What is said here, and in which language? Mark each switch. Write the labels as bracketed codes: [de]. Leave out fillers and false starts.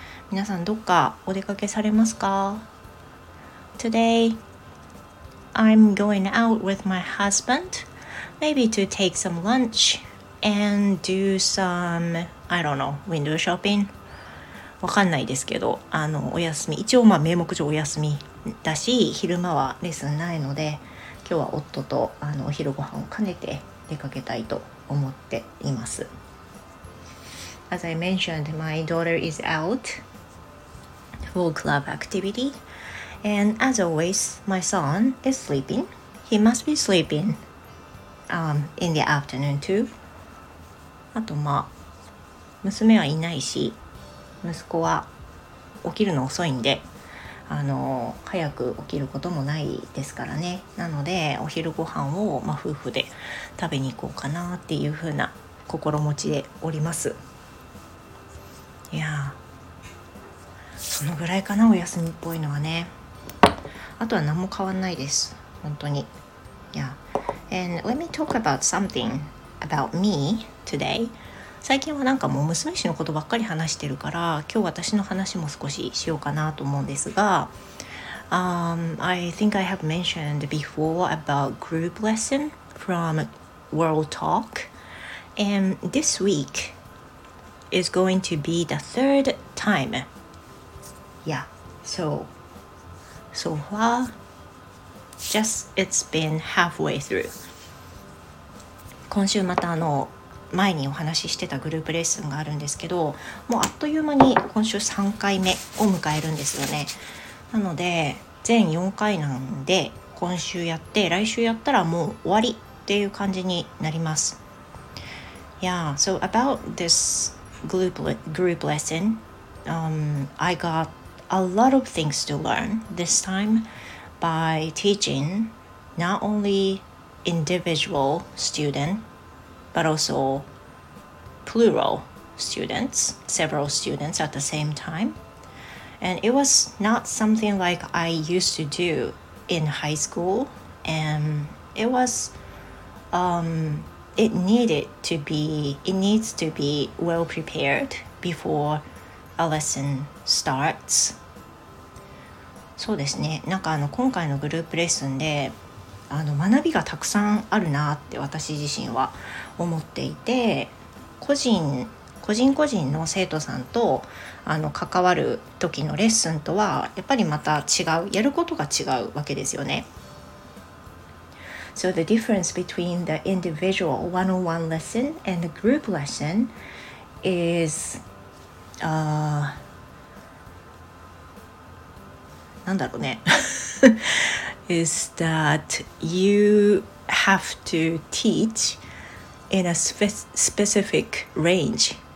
[ja] 皆さんどっかお出かけされますか? [en] Today, I'm going out with my husband, maybe to take some lunch and do some, I don't know, window shopping. [ja] わかんないですけど、お休み、一応まあ名目上お休みだし、昼間はレッスンないので、今日は夫とお昼ご飯を兼ねて出かけたいと思っています。 [en] As I mentioned, my daughter is out. Full club activity. And as always, my son is sleeping. He must be sleeping, in the afternoon too. [ja] あとまあ、娘はいないし、息子は起きるの遅いんで、早く起きることもないですからね。なので、お昼ご飯を、まあ、夫婦で食べに行こうかなっていうふうな心持ちでおります。いやー。そのぐらいかな、お休みっぽいのはね。あとは何も変わんないです。本当に。Yeah. [en] And let me talk about something about me today. [ja] 最近はなんかもう娘氏のことばっかり話してるから、今日私の話も少ししようかなと思うんですが、 [en] I think I have mentioned before about group lesson from World Talk. And this week is going to be the third time. Yeah, so far, just it's been halfway through. [ja] 今週また前にお話ししてたグループレッスンがあるんですけど、もうあっという間に今週3回目を迎えるんですよね。なので、全4回なんで、今週やって、来週やったらもう終わりっていう感じになります。 [en] Yeah, so about this group lesson, I gotA lot of things to learn this time by teaching not only individual student but also plural students, several students at the same time. And it was not something like I used to do in high school, and it was, it needs to be well prepared before a lesson starts. [ja] そうですね。なんか今回のグループレッスンで学びがたくさんあるなって私自身は思っていて、個人の生徒さんと関わる時のレッスンとはやっぱりまた違う、やることが違うわけですよね。 [en] So the difference between the individual one-on-one lesson and the group lesson is [ja] なんだろうね [en] is that you have to teach in a specific range.